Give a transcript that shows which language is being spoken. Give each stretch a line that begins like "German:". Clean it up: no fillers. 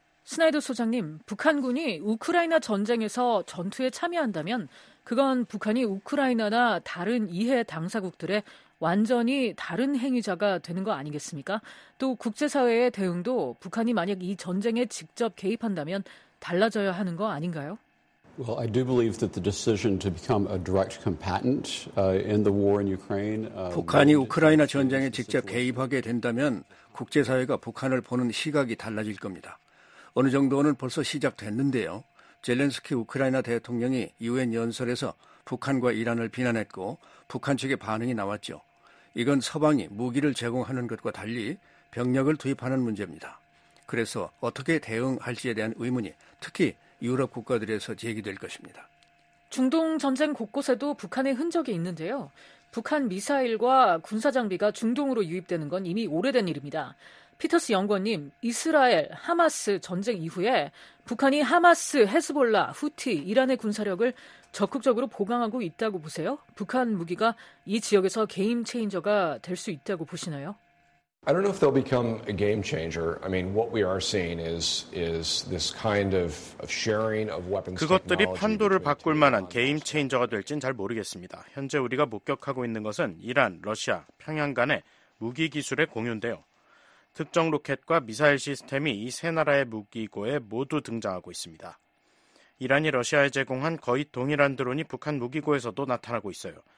Korean: 스나이더 소장님, 북한군이 우크라이나 전쟁에서 전투에 참여한다면 그건 북한이 우크라이나나 다른 이해 당사국들의 완전히 다른 행위자가 되는 거 아니겠습니까? 또 국제사회의 대응도 북한이 만약 이 전쟁에 직접 개입한다면 달라져야 하는 거 아닌가요?
English: Well, I do believe that the decision to become a direct combatant in the war in Ukraine
Korean: 북한이 우크라이나 전쟁에 직접 개입하게 된다면 국제사회가 북한을 보는 시각이 달라질 겁니다. 어느 정도는 벌써 시작됐는데요. 젤렌스키 우크라이나 대통령이 유엔 연설에서 북한과 이란을 비난했고 북한 측의 반응이 나왔죠. 이건 서방이 무기를 제공하는 것과 달리 병력을 투입하는 문제입니다. 그래서 어떻게 대응할지에 대한 의문이 특히 유럽 국가들에서 제기될 것입니다. 중동 전쟁 곳곳에도 북한의 흔적이 있는데요. 북한 미사일과 군사 장비가 중동으로 유입되는 건 이미 오래된 일입니다. 피터스 연구원님, 이스라엘, 하마스 전쟁 이후에 북한이 하마스, 헤즈볼라, 후티, 이란의 군사력을 적극적으로 보강하고 있다고 보세요? 북한 무기가 이 지역에서 게임 체인저가 될 수 있다고 보시나요?
English: I don't know if they'll become a game changer. I mean, what we are seeing is this kind of sharing of weapons.
Korean: 그것들이 판도를 바꿀 만한 게임 체인저가 될지는 잘 모르겠습니다. 현재 우리가 목격하고 있는 것은 이란, 러시아, 평양 간의 무기 기술의 공유인데요. 특정 로켓과 미사일 시스템이 이 세 나라의 무기고에 모두 등장하고 있습니다. 이란이 러시아에 제공한 거의 동일한 드론이 북한 무기고에서도 나타나고 있어요.